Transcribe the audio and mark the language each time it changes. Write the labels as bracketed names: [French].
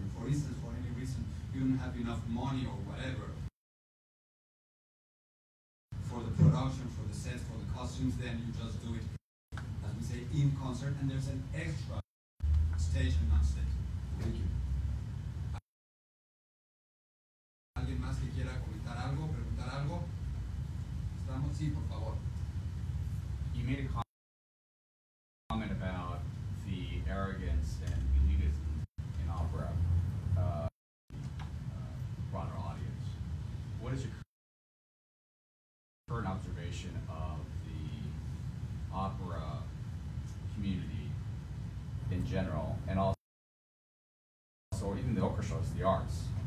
[English] For instance, for any reason, you don't have enough money or whatever for the production, for the sets, for the costumes, then you just do it, as we say, in concert, and there's an extra stage and not stage. Thank you. [Spanish] ¿Alguien más que quiera comentar algo, preguntar algo? ¿Estamos? Sí, por favor. [English] You made a comment about the arrogance and elitism in opera, broader audience. What is your current observation of the opera community in general, and also even the orchestras, the arts?